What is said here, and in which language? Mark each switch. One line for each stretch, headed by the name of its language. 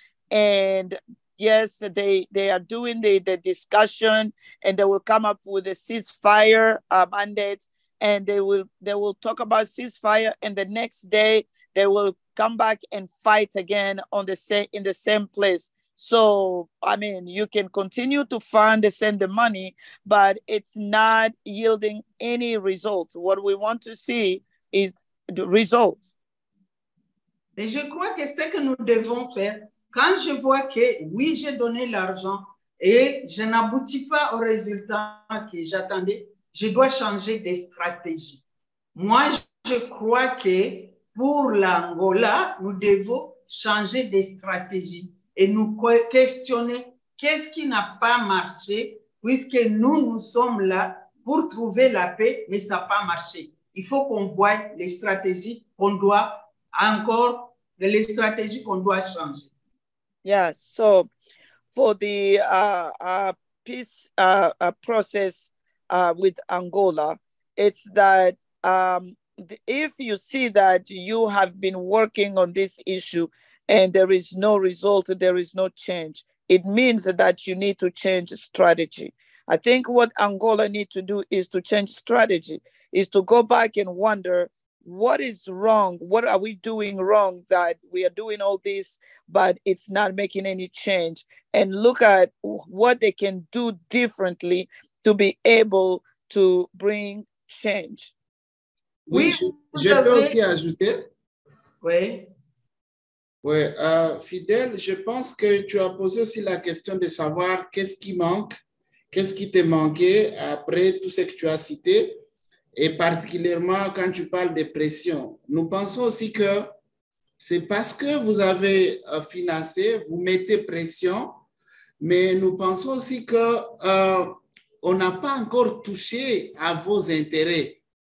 English: And yes, they are doing the discussion, and they will come up with a ceasefire mandate, and they will talk about ceasefire, and the next day they will come back and fight again in the same place. So I mean, you can continue to fund and send the money, but it's not yielding any results. What we want to see is the results.
French: Mais je crois que ce que nous devons faire. Quand je vois que, oui, j'ai donné l'argent et je n'aboutis pas au résultat que j'attendais, je dois changer de stratégie. Moi, je crois que pour l'Angola, nous devons changer de stratégie. et nous questionner qu'est-ce qui n'a pas marché, puisque nous, nous sommes là pour trouver la paix, mais ça n'a pas marché. Il faut qu'on voie les stratégies qu'on doit encore, les stratégies qu'on doit changer.
English: Yeah, so for the peace process with Angola, it's that if you see that you have been working on this issue and there is no result, there is no change, it means that you need to change strategy. I think what Angola need to do is to change strategy, is to go back and wonder what is wrong, what are we doing wrong that we are doing all this, but it's not making any change, and look at what they can do differently to be able to bring change.
French: Oui, je peux aussi ajouter. Oui. Oui, Fidel, je pense que tu as posé aussi la question de savoir qu'est-ce qui manque, qu'est-ce qui t'est manqué après tout ce que tu as cité, et particulièrement quand tu parles de pression. Nous pensons aussi que c'est parce que vous avez financé, vous mettez pression, mais nous pensons aussi que on n'a pas encore touché à vos intérêts.